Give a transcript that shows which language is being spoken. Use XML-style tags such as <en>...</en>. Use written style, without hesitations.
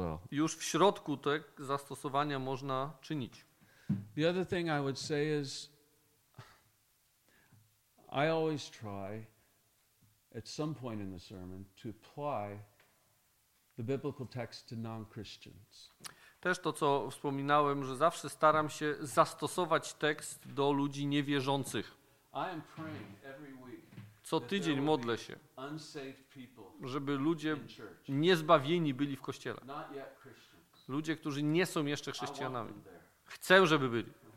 <pl>Już w środku te zastosowania można czynić.</pl> <en>The other thing I would say is I always try at some point in the sermon to apply the biblical text to non-Christians.</en> <pl>Też to, co wspominałem, że zawsze staram się zastosować tekst do ludzi niewierzących.</pl> <en>I am praying every week.</en> <pl>Co tydzień modlę się, żeby ludzie niezbawieni byli w kościele. Ludzie, którzy nie są jeszcze chrześcijanami. Chcę, żeby byli.</pl>